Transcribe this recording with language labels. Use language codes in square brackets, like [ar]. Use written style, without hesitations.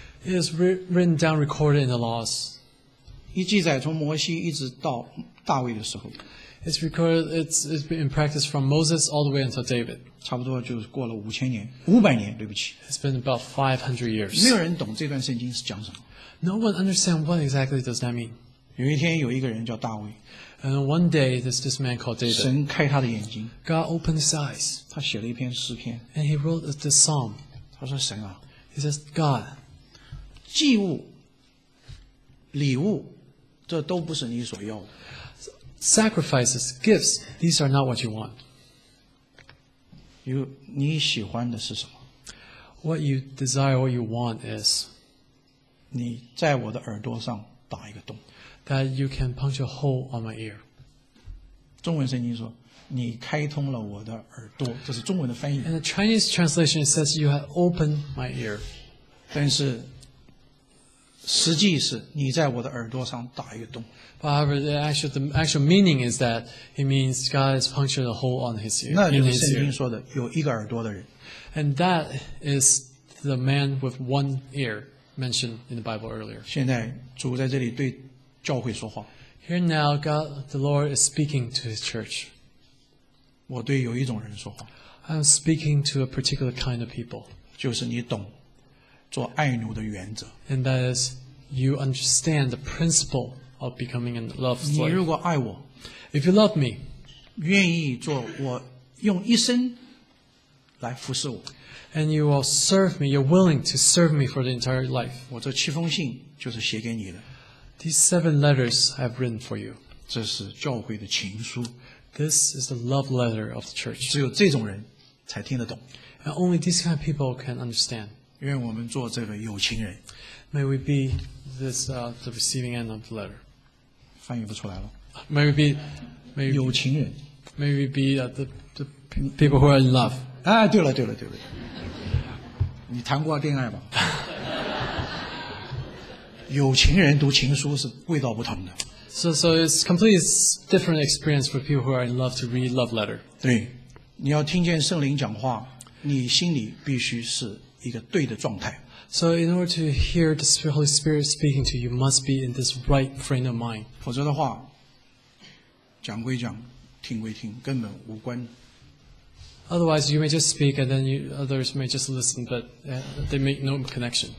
[en] It is written down, recorded in the laws. [zh] 一记载从摩西一直到大卫的时候 [en] ，It's recorded. It's been in practice from Moses all the way until David. [zh] 差不多就过了五千年，五百年，对不起。 [en] It's been about 500 years. [zh] 没有人懂这段圣经是讲什么。 [en] No one understands what exactly does that mean. [zh] 有一天有一个人叫大卫 [en] ，And one day this man called David. [zh] 神开他的眼睛 [en] ，God opened his eyes. [zh] 他写了一篇诗篇 [en] ，And he wrote the psalm. [zh] 他说神啊 [en] ，He says God. [zh] 祭物、礼物，这都不是你所要的。 [en] Sacrifices, gifts, these are not what you want. [zh] You, 你喜欢的是什么？ [en] What you desire, what you want is, [zh] 你在我的耳朵上打一个洞。 [en] That you can punch a hole on my ear. [zh] 中文圣经说，你开通了我的耳朵，这是中文的翻译。 [en] And the Chinese translation says you have opened my ear. [zh] 但是实际是你在我的耳朵上打一个洞。 [en] However, the actual meaning is that it means God has punctured a hole on his ear. [zh] 那就是圣经说的有一个耳朵的人。 [en] And that is the man with one ear mentioned in the Bible earlier. [zh] 现在主在这里对教会说话。 [en] Here now, God, the Lord is speaking to his church. [zh] 我对有一种人说话。 [en] I'm speaking to a particular kind of people. [zh] 就是你懂。做爱奴的原则 [en] ，and that is you understand the principle of becoming a love slave. [zh] 你如果爱我 [en] ，if you love me， [zh] 愿意做我用一生来服侍我 [en] ，and you will serve me. You're willing to serve me for the entire life. [zh] 我这七封信就是写给你的。 [en] These seven letters I've written for you. [zh] 这是教会的情书。 [en] This is the love letter of the church. [zh] 只有这种人才听得懂。 [en] And only these kind of people can understand. [zh] 愿我们做这个有情人。 [en] May we be this the receiving end of the letter. [zh] 翻译不出来了。 [en] May we be, may we be [zh] 有情人。 [en] May we be the people who are in love. [zh] 啊，对了对了对了。你谈过恋爱吗？有情人读情书是味道不同的。 [en] So it's completely different experience for people who are in love to read love letter. [zh] 对，你要听见圣灵讲话，你心里必须是。 [en] So in order to hear the Holy Spirit speaking to you, you must be in this right frame of mind. [zh] 否则的话，讲归讲，听归听，根本无关。 [en] Otherwise, you may just speak, and then others may just listen, but they make no connection.